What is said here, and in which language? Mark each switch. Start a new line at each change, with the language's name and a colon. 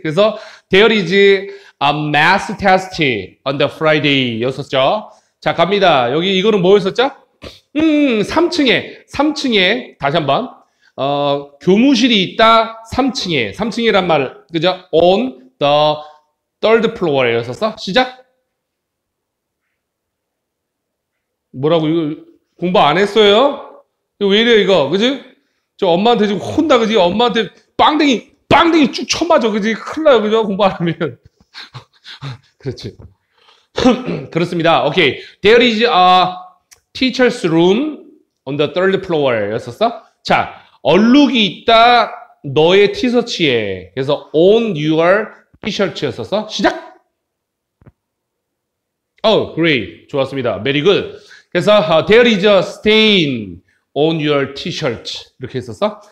English: 그래서 There is a math test on the Friday.
Korean: 이어서죠. 자, 갑니다. 여기 이거는 뭐였었죠? 3층에, 다시 한 번, 어, 교무실이 있다, 3층에, 3층이란 말, 그죠?
English: on the third floor
Korean: 였었어? 시작? 뭐라고, 이거, 공부 안 했어요? 이거 왜 이래, 이거, 그지? 저 엄마한테 지금 혼나, 그지? 엄마한테 빵댕이 쭉 쳐맞아, 그지? 큰일 나요, 그죠? 공부 안 하면. 그렇지. 그렇습니다. 오케이.
English: There is a, Teacher's room on the third floor
Korean: 였었어? 자, 얼룩이 있다, 너의 티셔츠에. 그래서
English: on your t-shirt
Korean: 였었어? 시작!
English: Oh, great.
Korean: 좋았습니다.
English: Very good. 그래서 there is a stain on your t-shirt.
Korean: 이렇게 했었어?